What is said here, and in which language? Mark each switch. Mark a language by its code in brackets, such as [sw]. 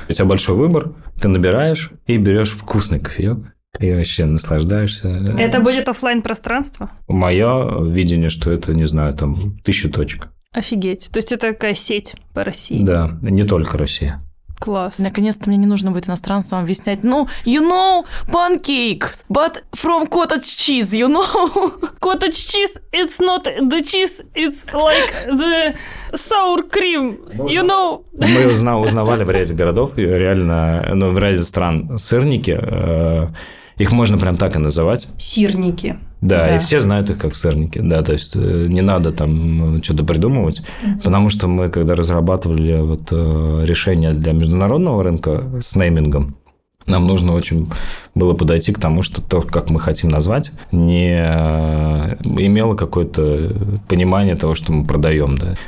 [ru] У тебя большой выбор, ты набираешь и берешь вкусный кофеек. И вообще наслаждаешься. Это будет офлайн-пространство? Мое видение, что это, не знаю, там 1000 точек. Офигеть. То есть это такая сеть по России? Да, не только Россия. Класс. Наконец-то мне не нужно будет иностранцам объяснять. [en] Ну, you know, pancake, but from cottage cheese, you know? Cottage cheese, it's not the cheese, it's like the sour cream, you know? [ru] Мы узнавали в ряде городов, реально, ну, в ряде стран сырники. Их можно прям так и называть. Сырники. Да, да, и все знают их как сырники. Да, то есть не надо там что-то придумывать. Угу. Потому что мы, когда разрабатывали вот решение для международного рынка с неймингом, нам нужно очень было подойти к тому, что то, как мы хотим назвать, не имело какое-то понимание того, что мы продаем. Да.